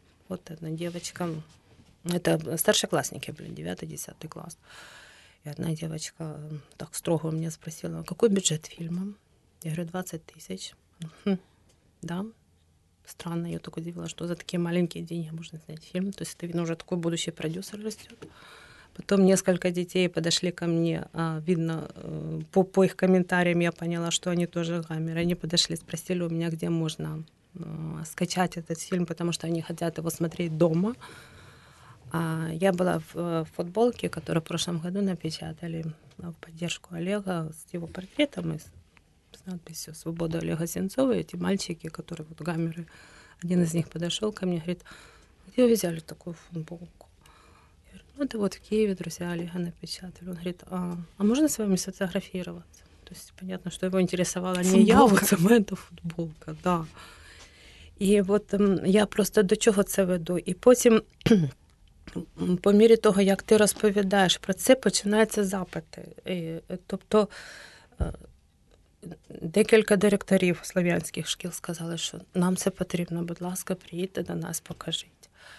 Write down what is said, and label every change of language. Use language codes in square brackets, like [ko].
[uk] От одна дівчинка, це старшокласники, 9-10 клас. І одна дівчинка так строго мене спросила, який бюджет фільму? Я говорю, 20 тисяч. [ru] Да? Странно, я так удивила, [uk] що за такі маленькі гроші можна зняти фільм. Тобто він вже такий будущий продюсер росте. [ru] Потом несколько детей подошли ко мне, видно, по их комментариям я поняла, что они тоже «Гамеры». Они подошли, спросили у меня, где можно скачать этот фильм, потому что они хотят его смотреть дома. Я была в футболке, которую в прошлом году напечатали в поддержку Олега с его портретом и с надписью «Свобода Олега Сенцова». Эти мальчики, которые вот «Гамеры», один из них подошел ко мне и говорит, где вы взяли такую футболку? Ну, это вот в Киеве, друзья, Олега напечатали. Он говорит, а можно с вами сфотографироваться? То есть понятно, что его интересовала не футболка. Я, а вот сама эта футболка, да. [uk] І от я просто до чого це веду? І потім, по мірі того, як ти розповідаєш про це, починаються запити. І, тобто, декілька директорів слов'янських шкіл сказали, що нам це потрібно, будь ласка, приїдьте до нас, покажіть.